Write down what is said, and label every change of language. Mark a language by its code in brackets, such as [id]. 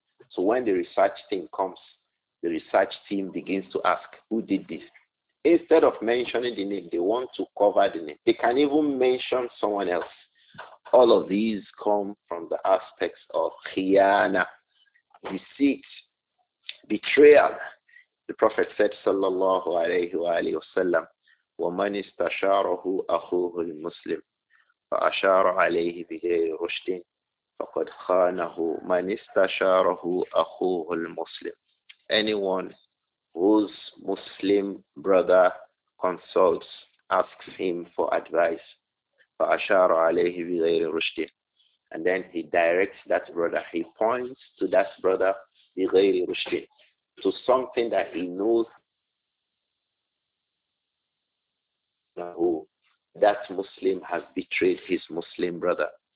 [en] So when the research team comes, the research team begins to ask, who did this? Instead of mentioning the name, they want to cover the name. They can even mention someone else. All of these come from the aspects of khiyana, deceit, betrayal. The Prophet said, sallallahu alayhi wa alayhi wa sallam, [ar] وَمَنِ اسْتَشَارَهُ أَخُوهُ الْمُسْلِمُ فَأَشَارَ عَلَيْهِ بِغَيْرِ رُشْدٍ فَقَدْ خَانَهُ مَنِ اسْتَشَارَهُ أَخُوهُ الْمُسْلِمُ. [en] Anyone whose Muslim brother consults, asks him for advice, [ar] فَأَشَارَ عَلَيْهِ بِغَيْرِ رُشْدٍ, [en] and then he directs that brother, he points to that brother, [ar] بِغَيْرِ رُشْدٍ, [en] to something that he knows that Muslim has betrayed his Muslim brother.